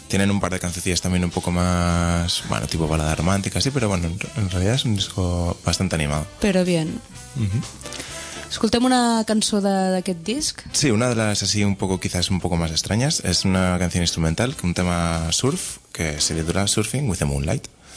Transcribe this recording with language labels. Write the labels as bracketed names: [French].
[Spanish] Tienen un par de cancioncillas también un poco más, bueno, tipo balada romántica, sí, pero bueno, en realidad es un disco bastante animado. Pero bien. [Catalan] Escoltem una cançó d'aquest disc. [Spanish] Sí, una de las así un poco, quizás un poco más extrañas, es una canción instrumental, un tema surf, que se titula Surfing with the Moonlight.